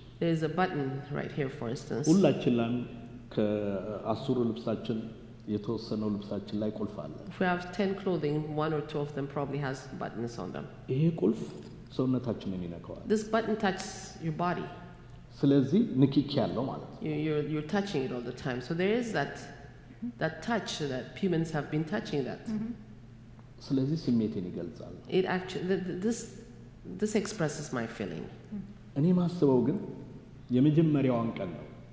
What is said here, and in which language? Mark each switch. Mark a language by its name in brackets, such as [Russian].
[English] ዜር ኢዝ አ በተን ራይት ሂር ፎር ኢንስታንስ። [Amharic] ሁላችንም ከአስሩ ልብሳችን የተወሰነው ልብሳችን ላይ ቁልፍ አለ። [English] We have 10 clothing, one or two of them probably has buttons on them. [Amharic] ይሄ ቁልፍ ሰውነታችንን ይነካዋል። [English] This button touches your body. [Amharic] ስለዚህ ንክኪ ያለው ማለት ነው። [English] You're touching it all the time. So there is that touch that humans have been touching that. [Amharic] ስለዚህ ስሜቴን ይገልጻል። [English] It actually this expresses my feeling. [Amharic] እኔ ማስበው ግን የመጀመሪያው አንቀል ነው።